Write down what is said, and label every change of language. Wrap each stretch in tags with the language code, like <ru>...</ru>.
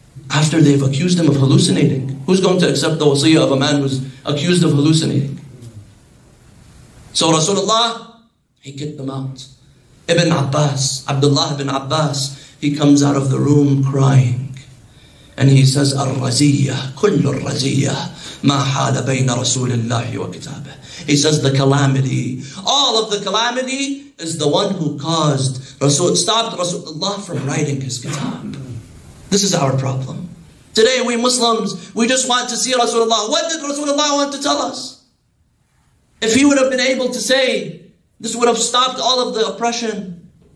<en>After they've accused him of hallucinating, who's going to accept the wasiyah of a man who's accused of hallucinating? So Rasulullah, he kicked them out. Ibn Abbas, Abdullah ibn Abbas, he comes out of the room crying. And he says,</en> <ar>الرزيّة, كل الرزيّة, ما حال بين رسول الله وكتابه.</ar> <en>He says, the calamity, all of the calamity is the one who caused, stopped Rasulullah from writing his kitab. This is our problem. Today we Muslims, we just want to see Rasulullah. What did Rasulullah want to tell us? If he would have been able to say, this would have stopped all of the oppression.</en>